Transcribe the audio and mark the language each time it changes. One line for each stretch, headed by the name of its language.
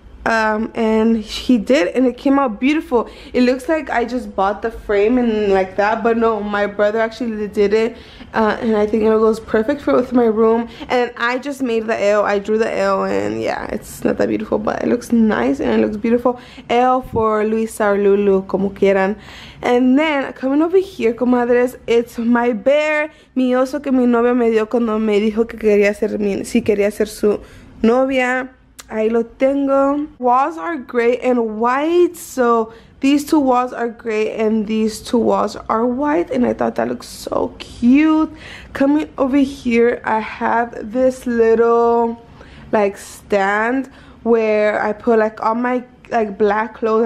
English: And he did, and it came out beautiful. It looks like I just bought the frame and like that, but no, my brother actually did it, and I think it goes perfect for with my room. And I just made the L, I drew the L, and yeah, it's not that beautiful, but it looks nice and it looks beautiful. L for Luisa or Lulu,
Spanish: como quieran.
English: And then coming over here, comadres, it's my bear,
Spanish: mi oso que mi novia me dio cuando me dijo que quería ser mi, si quería ser su novia. Ahí lo tengo.
English: Walls are gray and white. So these two walls are gray and these two walls are white. And I thought that looks so cute. Coming over here, I have this little like stand where I put like all my like black clothes.